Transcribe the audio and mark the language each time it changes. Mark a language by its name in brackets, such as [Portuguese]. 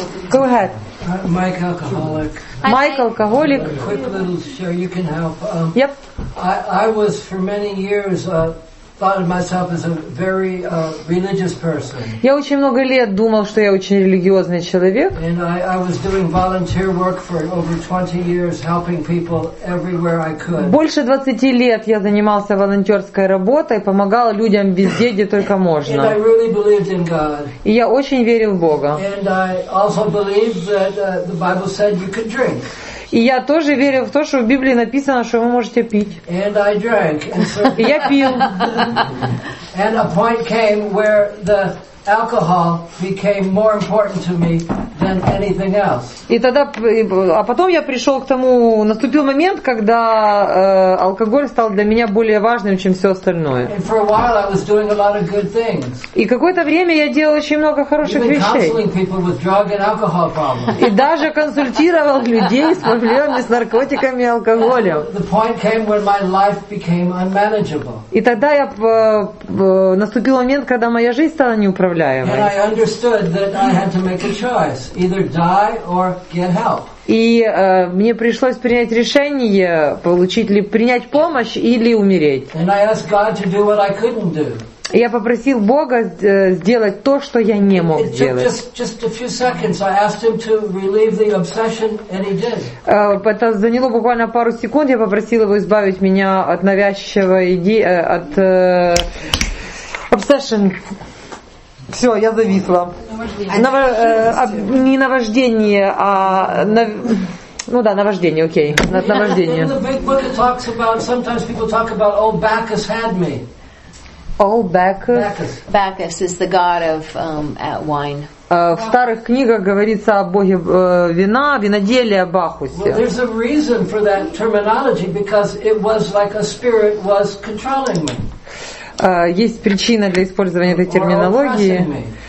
[English] Go ahead. Mike alcoholic. Mike alcoholic. Quick little show, you can help. Yep. I was for many years thought of myself as a very religious person. [Russian] Я очень много лет думал, что я очень религиозный человек. [English] And I was doing volunteer work for over 20 years, helping people everywhere I could. [Russian] Больше 20 лет я занимался волонтерской работой, помогал людям везде, где только можно. [English] And I really believed in God. [Russian] И я очень верил в Бога. [English] And I also believed that the Bible said you could drink. [Russian] И я тоже верил в то, что в Библии написано, что вы можете пить. [English] And I drank. And so, [Russian] и я пил. [English] And a point came where the alcohol became more important to me than anything else. [Russian] И тогда, а потом я пришел к тому, наступил момент, когда алкоголь стал для меня более важным, чем все остальное. [English] And for a while I was doing a lot of good things. [Russian] И какое-то время я делал очень много хороших [English] Even [Russian] вещей. [English] Counseling people with drug and alcohol problems. [Russian] И даже консультировал людей с проблемами с наркотиками и алкоголем. [English] The point came when my life became unmanageable. [Russian] И тогда я наступил момент, когда моя жизнь стала неуправляемой. [English] And I understood that I had to make a choice, either die or get help. [Russian] И мне пришлось принять решение, получить ли принять помощь или умереть. [English] And I asked God to do what I couldn't do. [Russian] Я попросил Бога сделать то, что я не мог делать. Это заняло буквально пару секунд. Я попросил его избавить меня от навязчивой идеи, от obsession. Все, я зависла. Не наваждение, а... Ну да, наваждение, окей. Наваждение. [English] Bacchus is the god of wine. [Russian] В старых книгах говорится о боге вина, виноделия, Бахусе. [English] Well, there's a reason for that terminology because it was like a spirit was controlling me. [Russian] Есть причина для использования этой терминологии.